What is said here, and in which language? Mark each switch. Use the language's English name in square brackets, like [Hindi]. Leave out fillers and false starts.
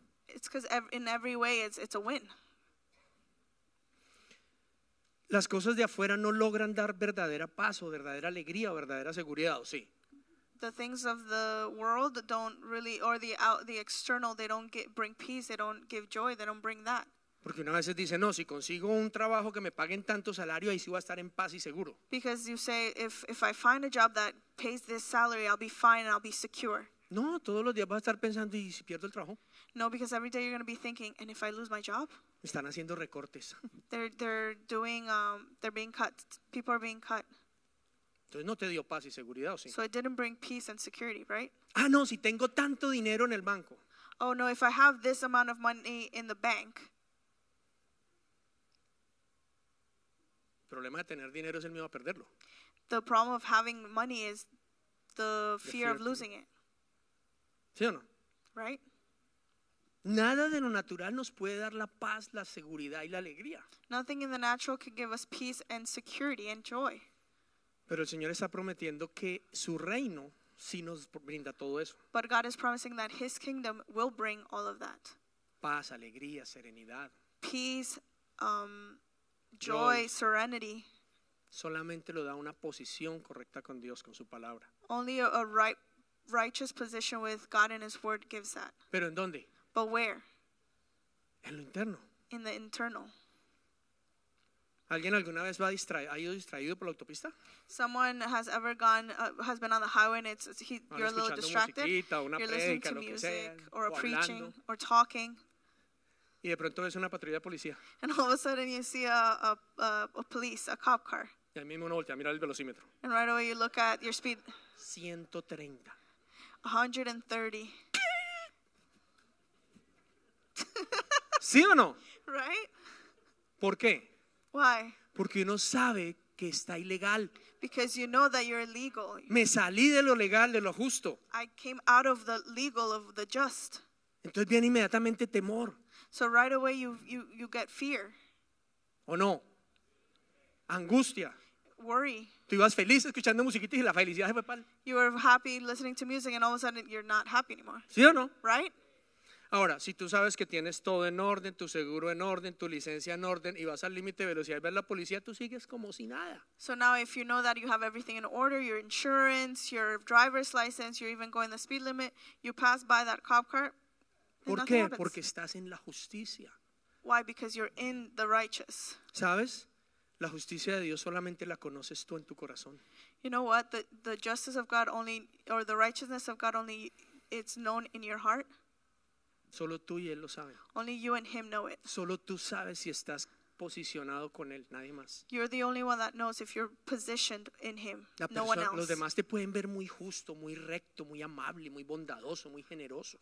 [English] It's because in every way it's a win. [Spanish] Las cosas de afuera no logran dar verdadera paz o verdadera alegría o verdadera seguridad, ¿o sí? [English] The things of the world don't really, or the external, they don't bring peace, they don't give joy, they don't bring that. [Spanish] Porque uno a veces dice, no, si consigo un trabajo que me paguen tanto salario, ahí sí voy a estar en paz y seguro. [English] Because you say, if I find a job that pays this salary, I'll be fine and I'll be secure. [Spanish] No, todos los días vas a estar pensando, ¿y si pierdo el trabajo? [English] No, because every day you're going to be thinking, and if I lose my job? [Spanish] Están haciendo recortes. [English] They're being cut. People are being cut. [Spanish] Entonces no te dio paz y seguridad, ¿o sí? [English] So it didn't bring peace and security, right? [Spanish] Ah, no, si tengo tanto dinero en el banco. [English] Oh, no, if I have this amount of money in the bank. [Spanish] El problema de tener dinero es el miedo a perderlo. [English] The problem of having money is the fear of losing it. [Spanish] ¿Sí o no? [English] Right? [Spanish] Nada de lo natural nos puede dar la paz, la seguridad y la alegría. [English] Nothing in the natural can give us peace and security and joy. [Spanish] Pero el Señor está prometiendo que su reino sí nos brinda todo eso. [English] But God is promising that his kingdom will bring all of that. [Spanish] Paz, alegría, serenidad. [English] Peace, joy, serenity. [Spanish] Solamente lo da una posición correcta con Dios, con su palabra. [English] Only a righteous position with God and his word gives that. [Spanish] ¿Pero en dónde? [English] But where? [Spanish] En lo interno. [English] In the internal. [Spanish] ¿Alguien alguna vez va distraído, ha ido distraído por la autopista? [English] Someone has ever gone, has been on the highway and you're a little distracted. [Spanish] Musicita, una [English] you're [Spanish] predica, [English] listening to [Spanish] lo [English] music, [Spanish] que sea, [English] or a preaching, [Spanish] hablando. [English] Or talking. [Spanish] Y de pronto ves una patrulla de policía. [English] And all of a sudden you see a police, a cop car. [Spanish] Y ahí mismo uno voltea, mira el velocímetro. [English] And right away you look at your speed. [Spanish] 130. [English] 130. [Spanish] ¿Sí o no? [English] Right? [Spanish] ¿Por qué? [English] Why? [Spanish] Porque uno sabe que está ilegal. [English] Because you know that you're illegal. [Spanish] Me salí de lo legal, de lo justo. [English] I came out of the legal, of the just. [Spanish] Entonces viene inmediatamente temor. [English] So right away you get fear. [Spanish] ¿O no? Angustia. [English] Worry. [Spanish] Tú ibas feliz escuchando musiquita y la felicidad se fue pal. [English] You were happy listening to music and all of a sudden you're not happy anymore. [Spanish] ¿Sí o no? [English] Right? [Spanish] Ahora, si tú sabes que tienes todo en orden, tu seguro en orden, tu licencia en orden, y vas al límite de velocidad y ves la policía, tú sigues como si nada. [English] So now if you know that you have everything in order, your insurance, your driver's license, you're even going the speed limit, you pass by that cop car, then [Spanish] ¿por qué? [English] Happens. [Spanish] Porque estás en la justicia. [English] Why? Because you're in the righteous. [Spanish] ¿Sabes? La justicia de Dios solamente la conoces tú en tu corazón. [English] You know what? The justice of God only, or the righteousness of God only, it's known in your heart. [Spanish] Solo tú y él lo saben. [English] Only you and him know it. [Spanish] Solo tú sabes si estás posicionado con él, nadie más. [English] You're the only one that knows if you're positioned in him. [Spanish] La persona, [English] no one else. [Spanish] Los demás te pueden ver muy justo, muy recto, muy amable, muy bondadoso, muy generoso.